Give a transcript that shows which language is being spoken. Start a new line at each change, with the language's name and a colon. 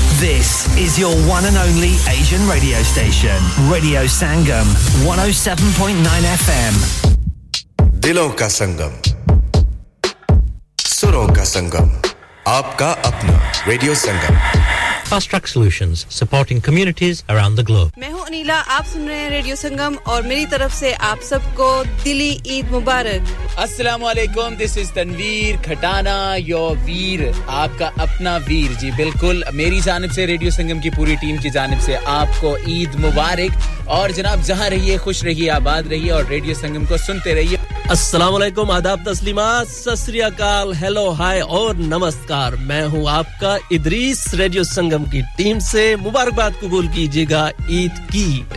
English: This is your one and only Asian radio station. Radio Sangam, 107.9 FM.
Hindi: Dilon ka Sangam. Suron ka Sangam. Aapka apna Radio Sangam.
English: Fast Track Solutions, supporting communities around the globe.
Hindi: मैं हूँ अनीला, आप सुन रहे हैं radio संगम और मेरी तरफ से आप सबको दिली ईद मुबारक.
English: अस्सलाम वालेकुम, this is Tanveer Khatana, your veer,
Hindi: आपका अपना
English: veer.
Hindi: जी बिल्कुल, मेरी जानिब से रेडियो संगम की पूरी टीम की जानिब से आपको ईद मुबारक और जनाब जहां रहिए खुश रहिए आबाद रहिए और रेडियो संगम को सुनते रहिए. अस्सलाम वालेकुम, आदाब तस्लीमा, सत श्री अकाल, हेलो हाय और नमस्कार. मैं हूं आपका इदरीस, रेडियो संगम की टीम से मुबारकबाद कबूल कीजिएगा ईद की.